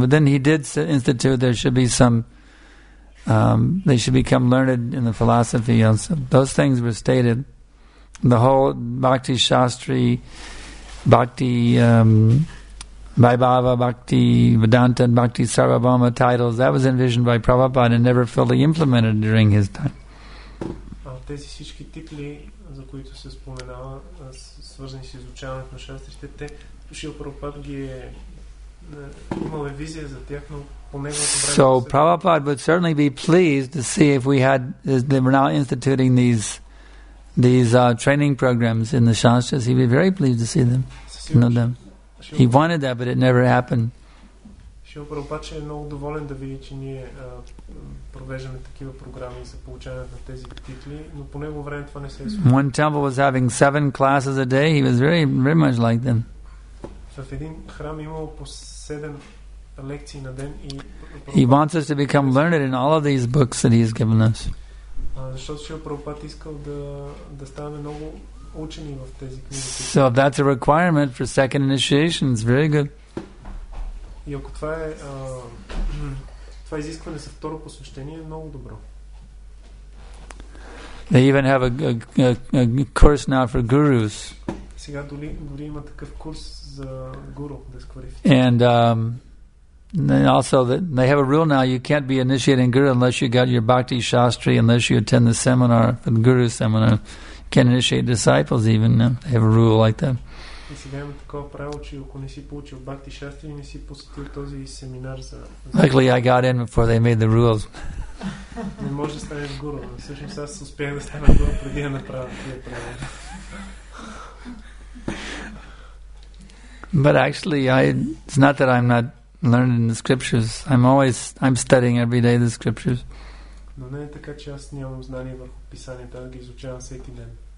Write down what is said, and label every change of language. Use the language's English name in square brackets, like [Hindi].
[English] But then he did institute there should be some, they should become learned in the philosophy also. Those things were stated. The whole Bhakti Shastri, Bhakti Vaibhava, Bhakti Vedanta, and Bhakti Sarvabhauma titles, that was envisioned by Prabhupada and never fully implemented during his time. [Bulgarian] Тези всички титли, за които се споменава, свързани с изучаването на шастрите, те Шрила Прабхупада ги е имал визия за тях, но по неговото време. [English] So Prabhupada would certainly be pleased to see if we had they were now instituting these training programs in the shastras. He'd be very pleased to see them. Know them. He wanted that, but it never happened. [Bulgarian] Шрила Прабхупада е много доволен да види, че ние провеждаме такива програми за получаването на тези титли, но по него време това не се случва. [English] One temple was having 7 classes a day. He was very, very much like them. [Bulgarian] В един храм имало по 7 лекции на ден и [English] He wants us to become learned in all of these books that he has given us. [Bulgarian] Защото Шрила Прабхупада искал да ставаме много учени в тези книги. [English] So that's a requirement for second initiation. It's very good. [Bulgarian] И ако това е това изискване за второ посвещение е много добро. [English] They even have a course now for gurus. [Bulgarian] Сега дори има такъв курс за гуру, да сквалифицира. [English] And also that they have a rule now, you can't be initiating guru unless you got your bhakti shastri, unless you attend the seminar, the guru seminar. You can't initiate disciples even now. They have a rule like that. [Bulgarian] И сега има такова правило, че ако не си получил бхакти шастри и не си посетил този семинар за... [English] Luckily, I got in before they made the rules. [Bulgarian] Не може да станеш гуру. Всъщност аз успях да стана гуру преди да направя тия правила. [English] But actually, it's not that I'm not learning the scriptures. I'm studying every day the scriptures. [Bulgarian] Но не е така, че аз нямам знания върху писанията, аз ги изучавам всеки ден.